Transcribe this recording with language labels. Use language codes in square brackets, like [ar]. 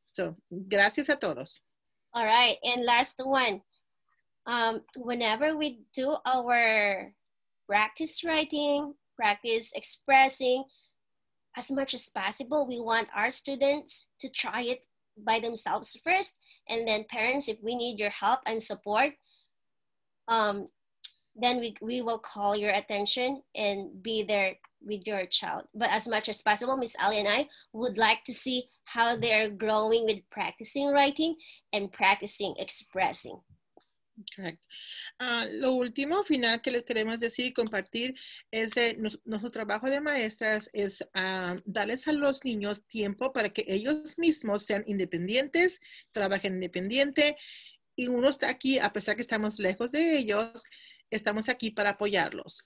[es] So, gracias a todos. [en] All right, and last one. Whenever we do our practice writing, practice expressing, as much as possible, we want our students to try it by themselves first, and then parents, if we need your help and support, then we will call your attention and be there with your child. But as much as possible, Miss Ali and I would like to see how they're growing with practicing writing and practicing expressing. [es] Correcto. Lo último final que les queremos decir y compartir es nuestro trabajo de maestras es darles a los niños tiempo para que ellos mismos sean independientes, trabajen independiente y uno está aquí a pesar que estamos lejos de ellos, estamos aquí para apoyarlos.